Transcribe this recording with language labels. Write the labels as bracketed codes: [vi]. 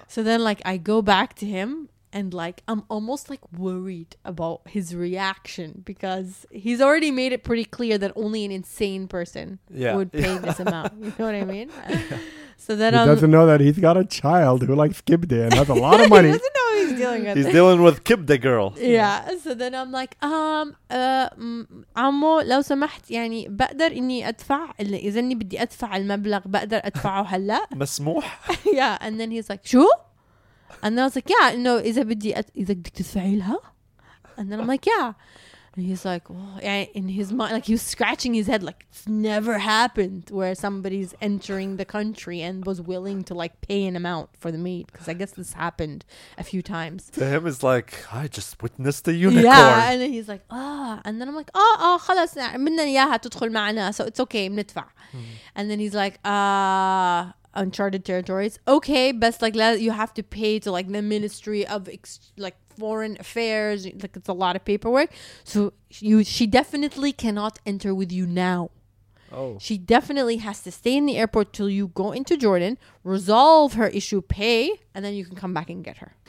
[en] So then, like, I go back to him and, like, I'm almost, like, worried about his reaction, because he's already made it pretty clear that only an insane person would pay this amount. You know what I mean? Yeah. So then he doesn't know that he's got a child who likes Kibde and has a lot of money. He doesn't know he's dealing with. He's dealing with Kibde girl. Yeah. So then I'm like, [ar] عمو لو سمحت يعني بقدر إني أدفع اللي إذا إني بدي أدفع المبلغ بقدر أدفعه هلا. مسموح. [en] Yeah. And then he's like, [ar] شو? [en] And then I was like, yeah. No. [ar] إذا بدي إذا بدك تدفعي لها. [en] And then I'm like, yeah. And he's like, oh, in his mind, like, he was scratching his head, like, it's never happened where somebody's entering the country and was willing to, like, pay an amount for the meat. Because I guess this happened a few times. To him, it's like, I just witnessed a unicorn. Yeah, and then he's like, ah. Oh. And then I'm like, oh, [ar] خلاص, مننا إياها تدخل معنا. [en] So it's okay, [ar] مندفع. [en] And then he's like, uncharted territories. Okay, but, like, you have to pay to, like, the Ministry of, like, Foreign Affairs, like, it's a lot of paperwork. So she definitely cannot enter with you now. Oh. She definitely has to stay in the airport till you go into Jordan, resolve her issue, pay, and then you can come back and get her.